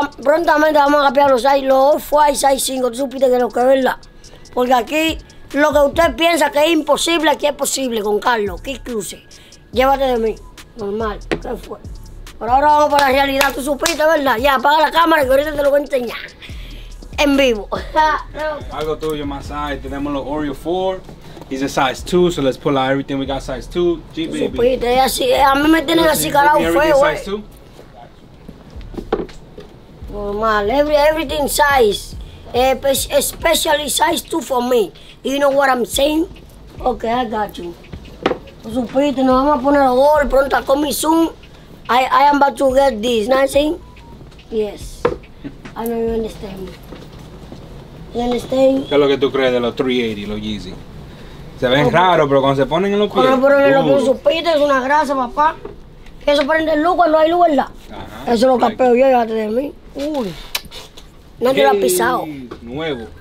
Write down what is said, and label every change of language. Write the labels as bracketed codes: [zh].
[es] Prontamente vamos a cambiar los 6, los Off-White 6, 5, tú supiste que lo que es verdad. Porque aquí, lo que usted piensa que es imposible, aquí es posible con Carlos, que incluso. Llévate de mí. Normal, ¿qué fue? Pero ahora vamos para la realidad, tú supiste, ¿verdad? Ya, apaga la cámara que ahorita te lo voy a enseñar. En vivo. Algo tuyo, más size. Tenemos los Oreo 4. [en] He's a size 2, so let's pull out everything we got size 2. G-Baby. [es] Supiste, es así. A mí me tienen así calado feo, güey. [en] Size 2? Normal. Everything size. Especially size 2 for me. You know what I'm saying? Okay, I got you. [es] Tú supiste, nos vamos a poner los gol pronto a comer Zoom. [en] I am about to get this, nothing? Yes. I know you understand me. You understand? [es] ¿Qué es lo que tú crees de los 380, los Yeezy? Se ven raros, pero cuando se ponen en los pies. Cuando ponen en los pies, supiste, es una grasa, papá. Eso prende luz cuando hay luz, ¿verdad? Ajá. Eso lo capeo yo, llévate de mí. Uy. Nadie lo ha pisado. Nuevo.